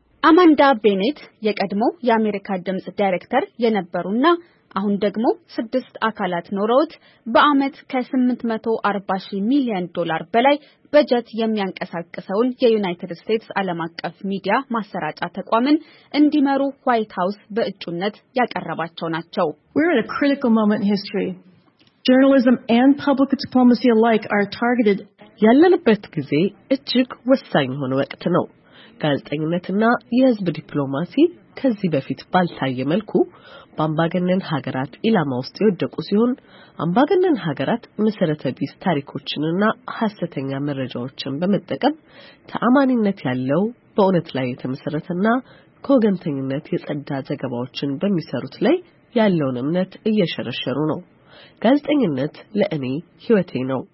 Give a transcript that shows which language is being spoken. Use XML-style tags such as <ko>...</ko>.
<am>አማንዳ ቤኔት የቀድሞ የአሜሪካ ድምጽ ዳይሬክተር የነበሩና አሁን ደግሞ 6 አካላት ኖረውት በአመት ከ840 ሚሊዮን ዶላር በላይ በጀት የሚያንቀሳቅሰውን የዩናይትድ ስቴትስ ዓለም አቀፍ ሚዲያ ማሰራጫ ተቋምን እንዲመሩ ዋይት ሃውስ በእጩነት ያቀረባቸው ናቸው።</am> <en>We're in a critical moment in history. Journalism and public diplomacy alike are targeted.</en> <am>ያለንበት ጊዜ እጅግ ወሳኝ የሆነ ወቅት ነው። ጋዜጠኝነትና የህዝብ ዲፕሎማሲ ከዚህ በፊት ባልታየ መልኩ አምባገነን ሀገራት ኢላማ ውስጥ የወደቁ ሲሆን፣ አምባገነን ሀገራት መሰረተ ቢስ ታሪኮችንና ሐሰተኛ መረጃዎችን በመጠቀም ተአማኒነት ያለው በእውነት ላይ የተመሰረተና ከወገንተኝነት የጸዳ ዘገባዎችን በሚሰሩት ላይ ያለውን እምነት እየሸረሸሩ ነው። ጋዜጠኝነት ለእኔ ህይወቴ ነው።</am>